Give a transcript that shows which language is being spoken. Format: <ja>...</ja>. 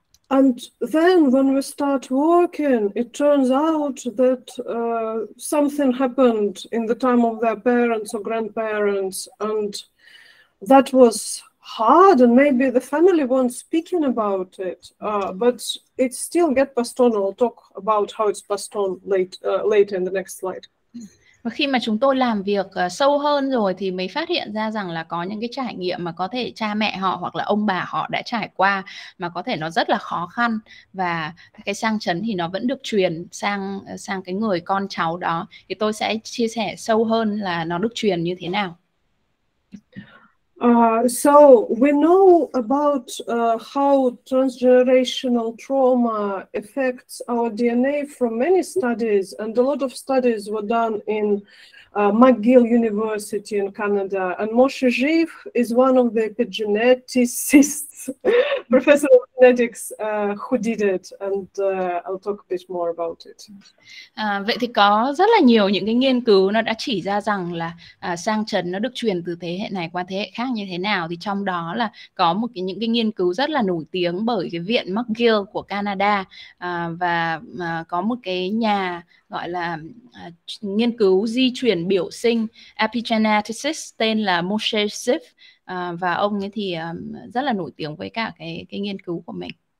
<en>And then when we start working, it turns out that something happened in the time of their parents or grandparents, and that was hard, and maybe the family weren't speaking about it, but it still get passed on. I'll talk about how it's passed on later in the next slide.</en> <vi>Và khi mà chúng tôi làm việc sâu hơn rồi thì mới phát hiện ra rằng là có những cái trải nghiệm mà có thể cha mẹ họ hoặc là ông bà họ đã trải qua mà có thể nó rất là khó khăn và cái sang chấn thì nó vẫn được truyền sang cái người con cháu đó, thì tôi sẽ chia sẻ sâu hơn là nó được truyền như thế nào.</vi> <en>So we know about how transgenerational trauma affects our DNA from many studies, and a lot of studies were done in McGill University in Canada. And Moshe Jiv is one of the epigeneticists, professor of genetics, who did it. And I'll talk a bit more about it.</en> <vi>Vậy thì có rất là nhiều những cái nghiên cứu nó đã chỉ ra rằng là sang chấn nó được truyền từ thế hệ này qua thế hệ khác như thế nào. Thì trong đó là có một cái những cái nghiên cứu rất là nổi tiếng bởi cái viện McGill của Canada, và có một cái nhà gọi là nghiên cứu di truyền biểu sinh epigeneticist tên là Moshe Zif, và ông ấy thì rất là nổi tiếng với cả cái nghiên cứu của mình.</vi>